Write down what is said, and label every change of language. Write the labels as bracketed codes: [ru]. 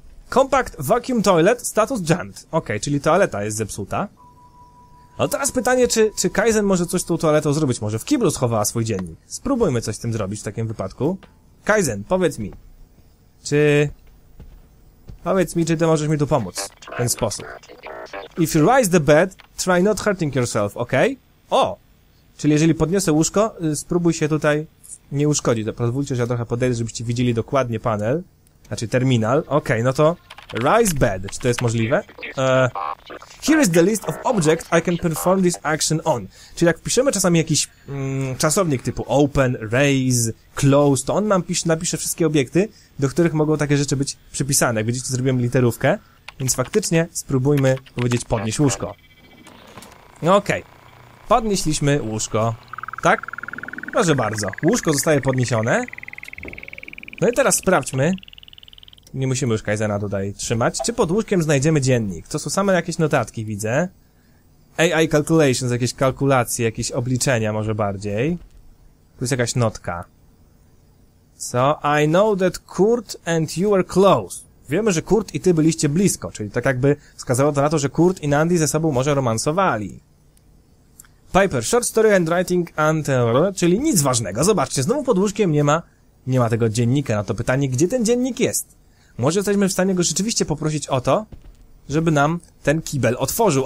[en] Compact Vacuum Toilet, status jammed. [pl] Okej, czyli toaleta jest zepsuta. No teraz pytanie, czy Kaizen może coś z tą toaletą zrobić? Może w kiblu schowała swój dziennik? Spróbujmy coś z tym zrobić w takim wypadku. Kaizen, powiedz mi. Powiedz mi, czy ty możesz mi tu pomóc w ten sposób. [en] If you rise the bed, try not hurting yourself, okay? O! [pl] Czyli jeżeli podniosę łóżko, spróbuj się tutaj nie uszkodzić. Pozwólcie, że ja trochę podejdę, żebyście widzieli dokładnie panel. Znaczy terminal. Okej, no to [en] rise bed. [pl] Czy to jest możliwe? [en] Here is the list of objects I can perform this action on. [pl] Czyli jak wpiszemy czasami jakiś czasownik typu open, raise, close, to on nam napisze wszystkie obiekty, do których mogą takie rzeczy być przypisane. Jak widzicie, zrobiłem literówkę, więc faktycznie spróbujmy powiedzieć podnieś łóżko. Okej. Podnieśliśmy łóżko. Tak? Proszę bardzo. Łóżko zostaje podniesione. No i teraz sprawdźmy. Nie musimy już Kaizena tutaj trzymać. Czy pod łóżkiem znajdziemy dziennik? To są same jakieś notatki, widzę. AI calculations, jakieś kalkulacje, jakieś obliczenia może bardziej. Tu jest jakaś notka. [en] So, I know that Kurt and you were close. [pl] Wiemy, że Kurt i ty byliście blisko, czyli tak jakby wskazało to na to, że Kurt i Nandi ze sobą może romansowali. [en] Piper, short story and writing until... [pl] Czyli nic ważnego. Zobaczcie, znowu pod łóżkiem nie ma tego dziennika. No to pytanie, gdzie ten dziennik jest? Może jesteśmy w stanie go rzeczywiście poprosić o to, żeby nam ten kibel otworzył.